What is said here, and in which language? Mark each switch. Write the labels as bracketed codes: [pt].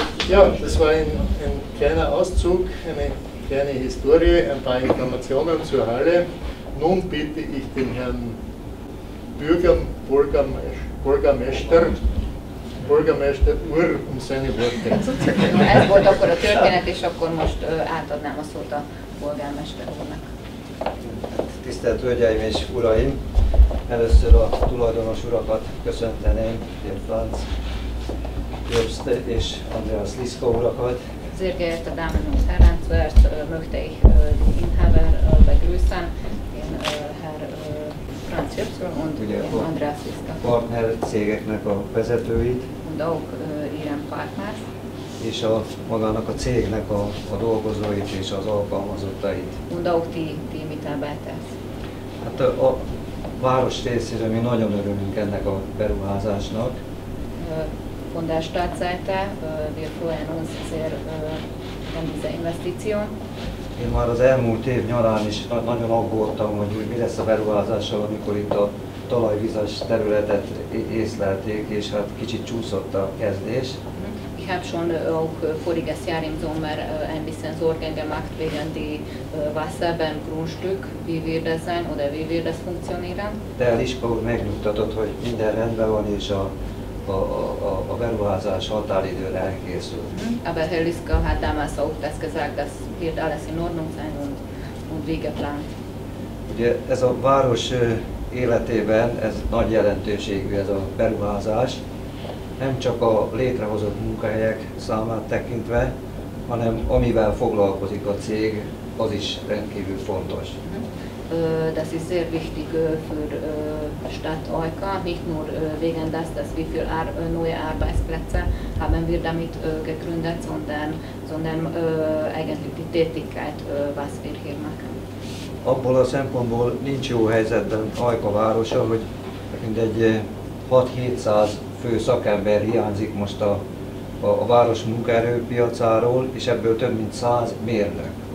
[de] Ja, das war ein kleiner Auszug, eine kleine Historie, ein paar Informationen zur Halle. Nun bitte ich den Herrn Bürgermeister, [hu] polgármester úr, [de] um seine Worte. [hu] Ez volt akkor a történet, és akkor most átadnám a szót a polgármester úrnak. Tisztelt hölgyeim és uraim! Először a tulajdonos urakat köszönteném, Dr. Franz Jobst és Andreas Liszka urakat. [de] Sehr geehrte Damen und Herren, zuerst möchte ich den Inhaber begrüßen, den Herr Franz Jobst und Andreas Liszka. [hu] Partner cégeknek a vezetőit. [de] Und auch ihren Partners. [hu] És a magának a cégnek a dolgozóit és az alkalmazottait. [de] Und auch die Mitarbeiter. [hu] Hát a város részéről mi nagyon örülünk ennek a beruházásnak. [de] Von der Stadtseite, wir freuen uns sehr an dieser Investition. [hu] Én már az elmúlt év nyarán is nagyon aggódtam, hogy mi lesz a beruházással, amikor itt a talajvizes területet észlelték, és hát kicsit csúszott a kezdés. [de] Ich habe schon auch voriges Jahr im Sommer ein bisschen Sorgen gemacht wegen die Wasser beim Grundstück, wie wird das sein oder wie wird das funktionieren. [hu] De Liszka úr megnyugtatott, hogy minden rendben van és a beruházás határidőre elkészül. [de] Aber Herr Liszka hat damals auch das gesagt, das wird alles in Ordnung sein und wie geplant. [hu] Ugye ez a város életében ez nagy jelentőségű ez a beruházás. Nem csak a létrehozott munkahelyek számát tekintve, hanem amivel foglalkozik a cég, az is rendkívül fontos. [de] Das ist sehr wichtig für Stadt Ajka, nicht nur wegen das, dass wie viel neue Arbeitsplätze haben wir damit gegründet, sondern eigentlich die Tätigkeit, was wir hier machen. [hu] Abból a szempontból nincs jó helyzetben Ajka városa, hogy mindegy 6-700 fő szakember hiányzik most a város munkaerőpiacáról, és ebből több mint 100 mérnök.